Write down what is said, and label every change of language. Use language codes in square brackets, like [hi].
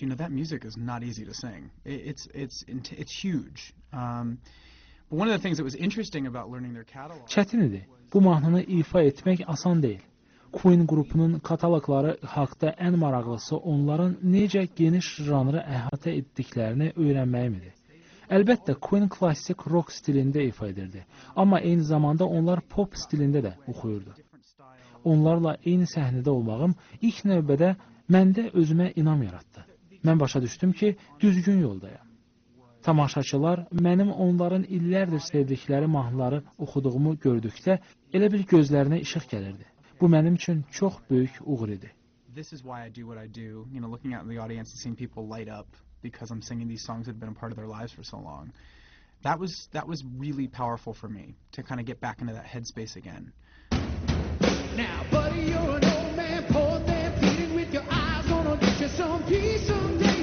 [en] You know, that music is not easy to sing. It's huge. But one of the things that was interesting about learning their catalog. [az] Çətin idi. Bu mahnını ifa etmək asan deyil. Queen qrupunun kataloqları haqda ən maraqlısı onların necə geniş janrı əhatə etdiklərini öyrənməyim idi. Əlbəttə, Queen klassik rock stilində ifa edirdi, amma eyni zamanda onlar pop stilində də oxuyurdu. Onlarla eyni səhnədə olmağım ilk növbədə məndə özümə inam yaratdı. Mən başa düşdüm ki, düzgün yoldayam. Tamaşaçılar mənim onların illərdir sevdikləri mahnıları oxuduğumu gördükdə elə bir gözlərinə işıq gəlirdi. Bu mənim üçün çox böyük uğur idi. [en] This is why I do what I do, you know, looking out in the audience and seeing people light up because I'm singing these songs that have been a part of their lives for so long. That was really powerful for me to kind of get back into that headspace again. Now, buddy, you're an old man, poor man, pleading with your eyes, gonna get you some peace someday.